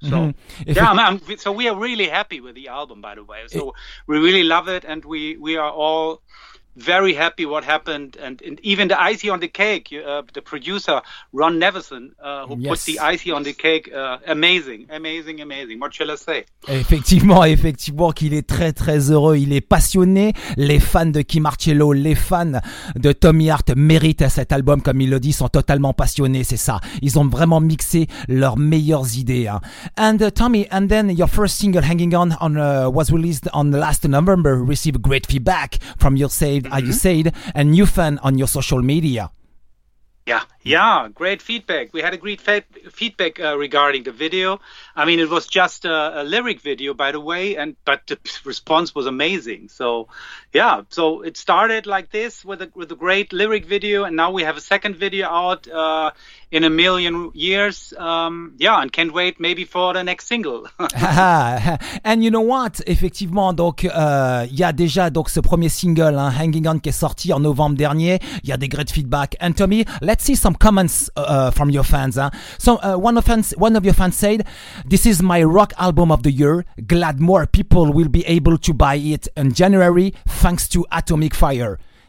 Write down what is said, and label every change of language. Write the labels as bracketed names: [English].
[English] So mm-hmm. So we are really happy with the album, by the way. So we really love it, and we are all very happy what happened, and even the icing on the cake, the producer Ron Nevison, who put the icing on the cake, amazing, what shall I say? [French] Effectivement qu'il est très très heureux, il est passionné, les fans de Kim Marcello, les fans de Tommy Hart méritent cet album, comme il le dit, sont totalement passionnés, c'est ça, ils ont vraiment mixé leurs meilleures idées, hein. [English] And Tommy, and then your first single Hanging On was released on last November, received great feedback from your save. Mm-hmm. You said, a new fan on your social media. Yeah, great feedback. We had a great feedback regarding the video. I mean, it was just a lyric video, by the way, but the response was amazing. So, yeah, so it started like this with a great lyric video, and now we have a second video out in a million years. And can't wait maybe for the next single. And you know what? [French] Effectivement, donc, y a déjà donc, ce premier single, hein, Hanging On, qui est sorti en novembre dernier. Il y a des [English] great feedback. And Tommy, let's see some comments from your fans. Huh? So one of your fans said, "This is my rock album of the year. Glad more people will be able to buy it in January, thanks to Atomic Fire."